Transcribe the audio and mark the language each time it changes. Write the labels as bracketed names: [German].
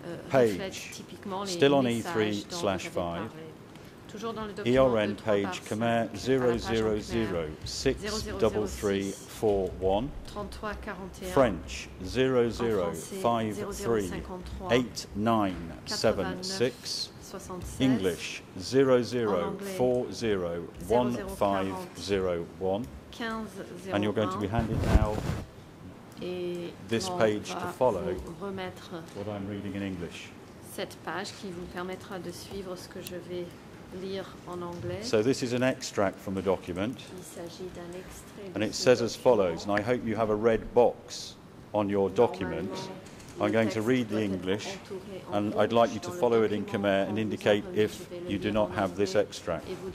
[English] Page, still on E3/5, ERN page, Khmer 00063341, French 00538976, English 00401501, and you're going to be handed now this page to follow what I'm reading in English. [French] Cette page qui vous permettra de suivre ce que je vais lire en anglais. [English] So this is an extract from the document. [French] Il s'agit d'un extrait. [English] And it says as follows, and I hope you have a red box on your document. I'm going to read the English, and I'd like you to follow it in Khmer and indicate if you do not have this extract.